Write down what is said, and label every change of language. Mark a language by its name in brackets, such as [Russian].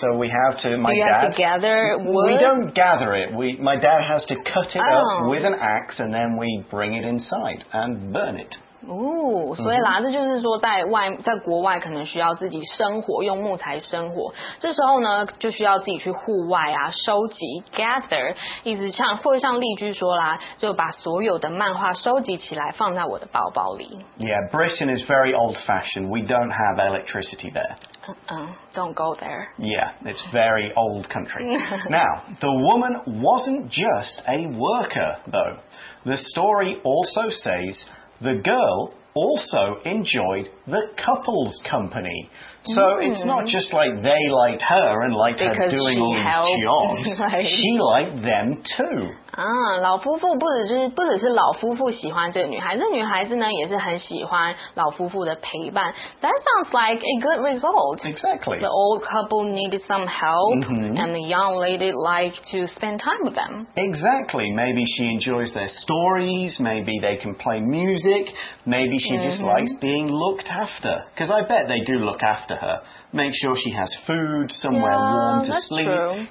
[English] So we have to, have to gather wood? We don't gather it. My dad has to cut it up with an axe and then we bring it inside and burn it. [Chinese] 哦，所以啦，这就是说在国外可能需要自己生火，用木材生火。这时候呢，就需要自己去户外啊，收集 gather， 意思像或像例句说啦，就把所有的漫画收集起来，放在我的包包里。 [English] Yeah, Britain is very old-fashioned. We don't have electricity there. Don't go there. Yeah, it's very old country. Now, the woman wasn't just a worker, though. The story also says the girl also enjoyed the couple's company. So it's not just like they liked her and liked her doing all these jobs. She liked them too. [Chinese] 老夫妇不只是老夫妇喜欢这个女孩，这女孩子呢也是很喜欢老夫妇的陪伴。 [English] That sounds like a good result. Exactly. The old couple needed some help, and the young lady liked to spend time with them. Exactly. Maybe she enjoys their stories. Maybe they can play music. Maybe she just likes being looked after. Because I bet they do look after her. Make sure she has food, somewhere warm to sleep.